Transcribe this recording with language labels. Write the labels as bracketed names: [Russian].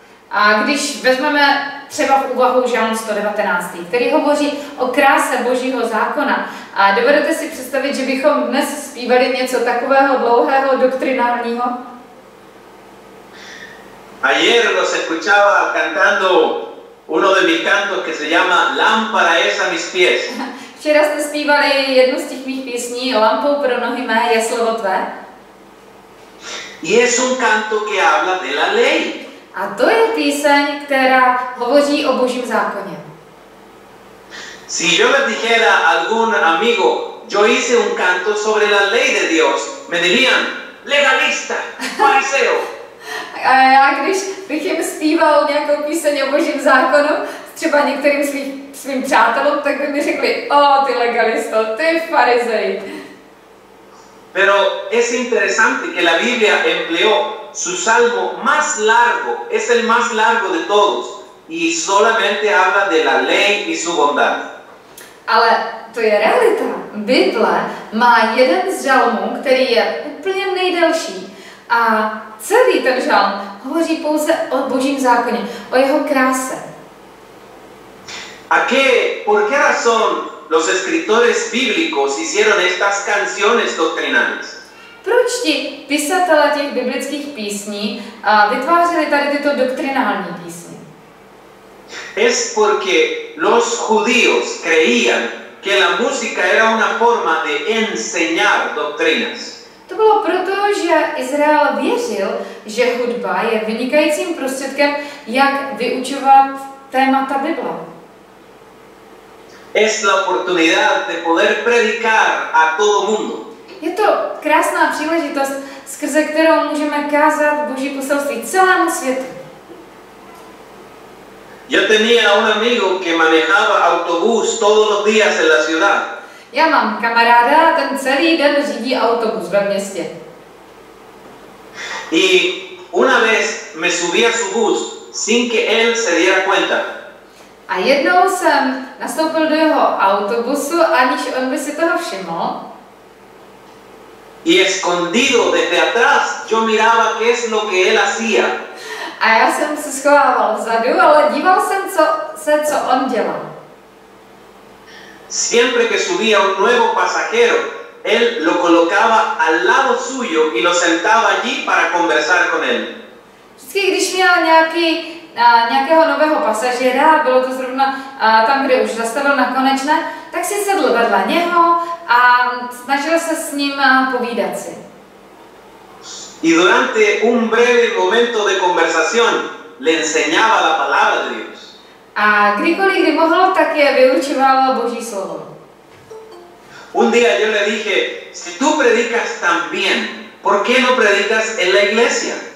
[Czech] A když vezmeme třeba v úvahu žalm 119, který hovoří o kráse Božího zákona, a dovedete si představit, že bychom dnes zpívali něco takového dlouhého, doktrinárního? [Spanish] Ayer los escuchaba cantando uno de mis cantos que se llama Lámpara es a mis pies. [Czech] Včera jste zpívali jednu z těch mých písní, Lampou pro nohy mé je slovo tvé. [Spanish] Y es un canto que habla de la ley. [Czech] A to je píseň, která hovoří o Božím zákoně. [Spanish] Si yo les dijera algún amigo, yo hice un canto sobre la ley de Dios, me dirían, legalista, fariseo. [Czech] A já, když bych jim zpíval nějakou píseň o Božím zákonu, třeba některým svým přátelům, tak by mi řekli, o, ty legalisto, ty farizej. [Spanish] Pero es interesante que la Biblia empleó su salmo más largo, es el más largo de todos, y solamente habla de la ley y su bondad. [Czech] Ale to je realita. Bible má jeden z žalmů, který je úplně nejdelší. A celý ten žalm hovoří pouze o Božím zákoně, o jeho kráse. [Spanish] ¿A qué? ¿Por qué razón los escritores bíblicos hicieron estas canciones doctrinales? [Czech] Proč ti pisatelé těch biblických písní vytvářeli tady tyto doktrinální písně? [Spanish] Es porque los judíos creían que la música era una forma de enseñar doctrinas. [Czech] To bylo proto, že Izrael věřil, že hudba je vynikajícím prostředkem, jak vyučovat témata Bible. [Spanish] Es la oportunidad de poder predicar a todo mundo. [Czech] Je to krásná příležitost, skrze kterou můžeme kázat Boží poselství celému světu. [Spanish] Yo tenía un amigo que manejaba autobús todos los días en la ciudad. [Czech] Já mám kamaráda, ten celý den řídí autobus ve městě. [Spanish] Y una vez me subí a su bus sin que él se diera cuenta. [Czech] A jednou jsem nastoupil do jeho autobusu, aniž on by si toho všiml. [Spanish] Y escondido desde atrás, yo miraba qué es lo que él hacía. [Czech] A já jsem se schovával vzadu, ale díval jsem se, co on dělal. [Spanish] Siempre que subía un nuevo pasajero, él lo colocaba al lado suyo y lo sentaba allí para conversar con él. [Czech] Vždycky, když měl nějakého nového pasažera, bylo to zrovna tam, kde už zastavil na konečné, tak si sedl vedle něho a snažil se s ním povídat si. [Spanish] Y durante un breve momento de conversación le enseñaba la palabra de Dios. [Czech] A kdykoliv, kdy mohlo, tak je vyučovalo Boží slovo. [Spanish] Un día yo le dije, si tú predicas tan bien, ¿por qué no predicas en la iglesia?